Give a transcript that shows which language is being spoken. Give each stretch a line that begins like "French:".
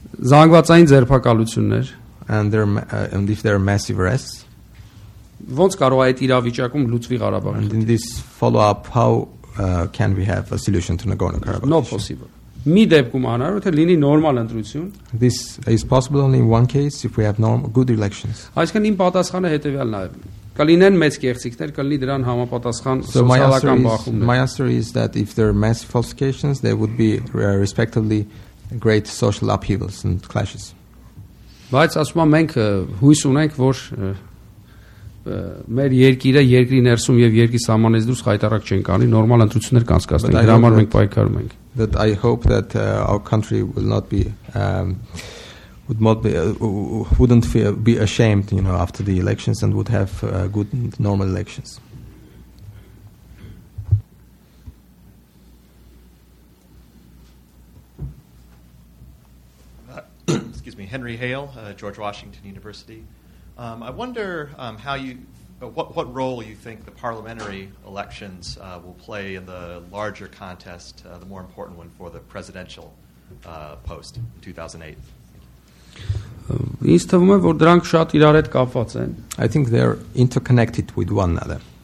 Armenian: զանգվածային ձերբակալություններ,
English: and if there are massive arrests,
Armenian: ո՞նց կարող է այդ իրավիճակում լուծվի Ղարաբաղը.
English: And in this follow-up, how can we have a solution to Nagorno-Karabakh? No possible.
Armenian: Մի դեպքում անարյուն թե լինի նորմալ ընտրություն.
English: This is possible only in one case if we have normal good elections.
Armenian: Այսինքն իմ պատասխանը հետեւյալն է. Կլինեն մեծ կեղծիքներ, կլինի դրան համապատասխան սոցիալական բախումներ.
English: My answer is that if there are mass falsifications, there would be respectively great social upheavals and clashes.
Armenian: Բայց ասում եմ մենք հույս ունենք, որ մեր երկիրը երկրի ներսում եւ երկրի սահմանից դուրս հայտարարք չեն կանի, նորմալ ընտրություններ կանցկացնեն։ Դրա համար մենք պայքարում ենք.
English: That I hope that our country will not be wouldn't feel be ashamed, you know, after the elections and would have good and normal elections. Excuse me, Henry Hale, George Washington University. I wonder how you what role you think the parliamentary elections will play in the larger contest, the more important one for the presidential post in 2008.
Armenian: Ինձ թվում է, որ դրանք շատ իրար հետ կապված են.
English: I think they are interconnected with one another.